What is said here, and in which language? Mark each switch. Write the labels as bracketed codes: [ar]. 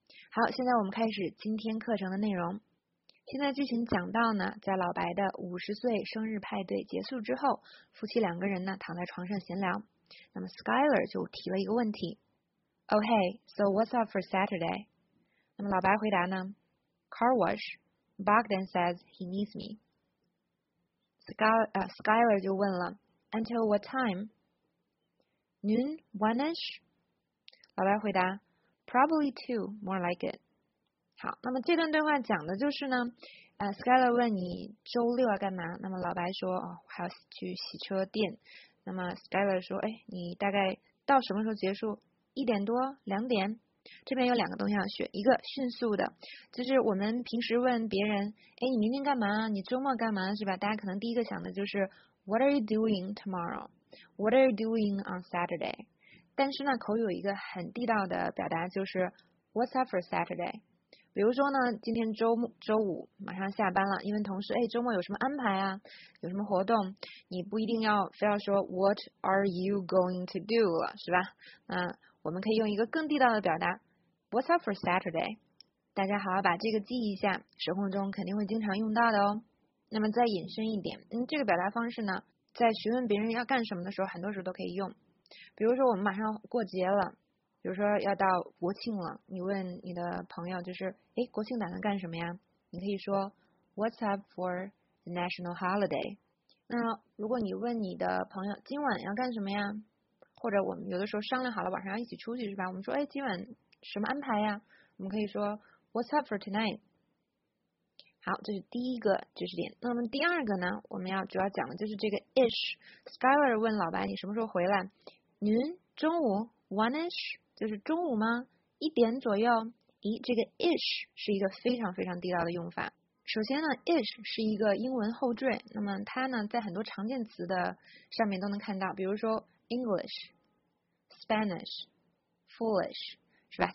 [zh] 好，现在我们开始今天课程的内容。现在剧情讲到呢，在老白的50岁生日派对结束之后，夫妻两个人呢躺在床上闲聊，那么 Skyler 就提了一个问题： [en] “Oh hey, so what's up for Saturday？” [zh] 那么老白回答呢： [en] “Car wash. Bogdan says he needs me.” [zh] Skyler 就问了：“Until what time？” [en] Noon, one-ish。 [zh] 老白回答：“ [en] Probably two, more like it。” [zh] 好，那么这段对话讲的就是呢，Skyler 问你周六要干嘛？那么老白说：“哦，还要去洗车店。” 那么 Skyler 说：“哎，你大概到什么时候结束？ 1点多，2点？” 这边有两个东西要学，一个迅速的，就是我们平时问别人，哎，你明天干嘛？你周末干嘛？是吧？大家可能第一个想的就是 [en] What are you doing tomorrow? What are you doing on Saturday? [zh] 但是呢，口语有一个很地道的表达就是 [en] What's up for Saturday? [zh] 比如说呢，今天周五马上下班了，因为同事，哎，周末有什么安排啊？有什么活动？你不一定要非要说 [en] What are you going to do [zh] 了，是吧？我们可以用一个更地道的表达 [en] What's up for Saturday? [zh] 大家好好把这个记一下，生活中肯定会经常用到的哦。那么再引申一点，这个表达方式呢，在询问别人要干什么的时候，很多时候都可以用。比如说我们马上过节了，比如说要到国庆了，你问你的朋友就是，哎，国庆打算干什么呀？你可以说 [en] What's up for the national holiday? [zh] 那如果你问你的朋友今晚要干什么呀？或者我们有的时候商量好了晚上要一起出去，是吧？我们说，哎，今晚什么安排呀？我们可以说 [en] What's up for tonight? [zh] 好，这是第一个知识点。那么第二个呢，我们要主要讲的就是这个 ish。Skyler 问老白，你什么时候回来？您中午 one-ish 就是中午吗？1点左右。咦，这个 ish 是一个非常非常地道的用法。首先呢 ,ish 是一个英文后缀，那么它呢在很多常见词的上面都能看到，比如说English, Spanish, Foolish, 是吧？